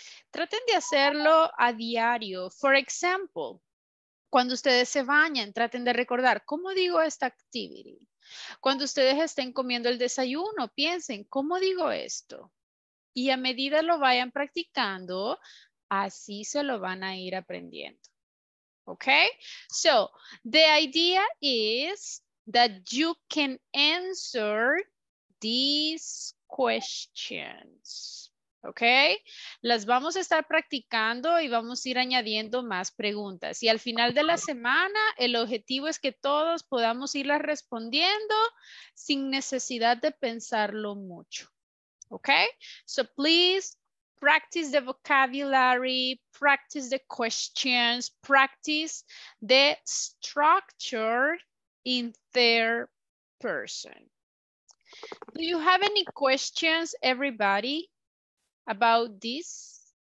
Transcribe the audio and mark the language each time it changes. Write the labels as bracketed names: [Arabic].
[Spanish] Traten de hacerlo a diario. [English] For example, [Spanish] cuando ustedes se bañan, traten de recordar, ¿cómo digo esta activity? Cuando ustedes estén comiendo el desayuno, piensen, ¿cómo digo esto? Y a medida lo vayan practicando, así se lo van a ir aprendiendo. [English] Okay? So, the idea is that you can answer these questions. [Spanish] Ok, las vamos a estar practicando y vamos a ir añadiendo más preguntas. Y al final de la semana, el objetivo es que todos podamos irlas respondiendo sin necesidad de pensarlo mucho. [English] Ok, so please practice the vocabulary, practice the questions, practice the structure in third person. Do you have any questions, everybody? About this?